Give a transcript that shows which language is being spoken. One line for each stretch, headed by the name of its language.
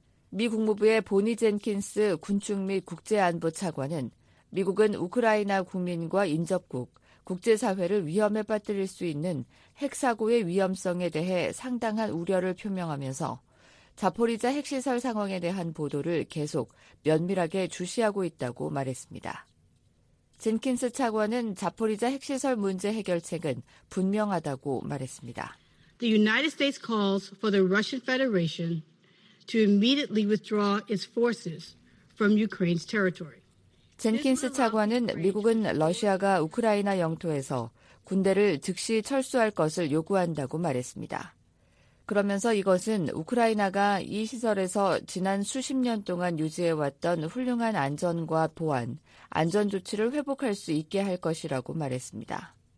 Korean: 미 국무부의 보니 젠킨스 군축 및 국제안보 차관은 미국은 우크라이나 국민과 인접국, 국제사회를 위험에 빠뜨릴 수 있는 핵사고의 위험성에 대해 상당한 우려를 표명하면서 자포리자 핵시설 상황에 대한 보도를 계속 면밀하게 주시하고 있다고 말했습니다. 젠킨스 차관은 자포리자 핵시설 문제 해결책은 분명하다고 말했습니다.
English: The United States calls for the Russian Federation to immediately withdraw its forces from Ukraine's territory.
Korean: 젠킨스 차관은 미국은 러시아가 우크라이나 영토에서 군대를 즉시 철수할 것을 요구한다고 말했습니다. 그러면서 이것은 우크라이나가 이 시설에서 지난 수십 년 동안 유지해왔던 훌륭한 안전과 보안, 안전조치를 회복할 수 있게 할 것이라고 말했습니다.